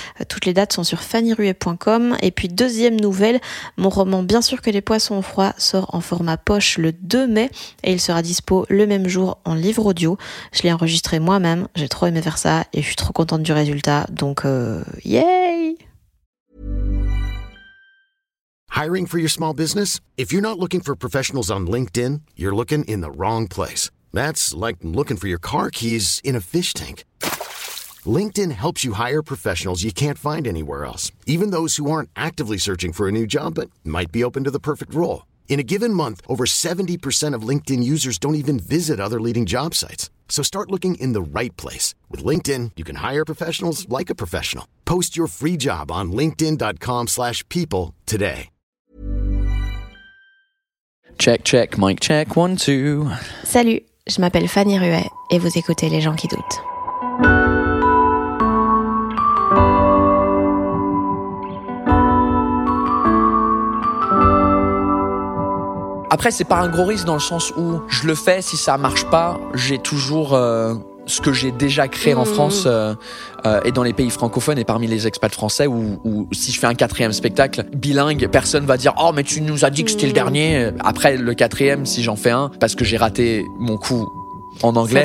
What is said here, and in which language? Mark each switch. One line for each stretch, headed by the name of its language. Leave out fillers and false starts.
French: Toutes les dates sont sur fannyruet.com. Et puis deuxième nouvelle, mon roman « Bien sûr que les poissons ont froid » sort en format poche le 2 mai et il sera dispo le même jour en livre audio. Je l'ai enregistré moi-même, j'ai trop aimé faire ça et je suis trop contente du résultat, donc yay!
English: Hiring for your small business? If you're not looking for professionals on LinkedIn, you're looking in the wrong place. That's like looking for your car keys in a fish tank. LinkedIn helps you hire professionals you can't find anywhere else, even those who aren't actively searching for a new job but might be open to the perfect role. In a given month, over 70% of LinkedIn users don't even visit other leading job sites. So start looking in the right place. With LinkedIn, you can hire professionals like a professional. Post your free job on linkedin.com/people today. Check, check, mic check, 1, 2.
French: Salut, je m'appelle Fanny Ruet et vous écoutez Les gens qui doutent. Après, c'est pas un gros risque dans le sens où je le fais, si ça marche pas, j'ai toujours ce que j'ai déjà créé en France et dans les pays francophones et parmi les expats français où si je fais un quatrième spectacle bilingue, personne va dire « Oh, mais tu nous as dit que c'était le dernier. » Après, le quatrième, si j'en fais un, parce que j'ai raté mon coup en anglais...